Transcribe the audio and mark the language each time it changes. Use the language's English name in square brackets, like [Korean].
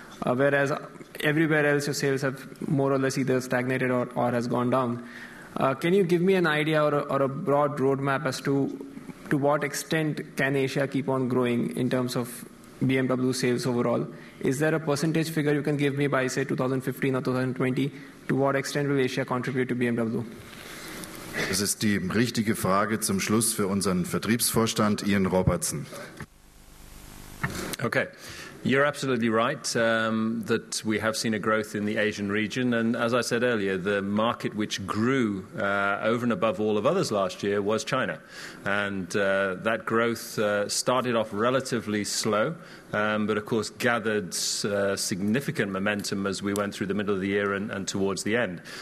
[English] Whereas everywhere else your sales have more or less either stagnated or has gone down. Can you give me an idea or a broad roadmap as to what extent can Asia keep on growing in terms of BMW sales overall? Is there a percentage figure you can give me by, say, 2015 or 2020? To what extent will Asia contribute to BMW? [German] Das ist die richtige Frage zum Schluss für unseren Vertriebsvorstand, Ian Robertson. [English] Okay. You're absolutely right that we have seen a growth in the Asian region. And as I said earlier, the market which grew over and above all of others last year was China. And that growth started off relatively slow, but of course gathered significant momentum as we went through the middle of the year and towards the end.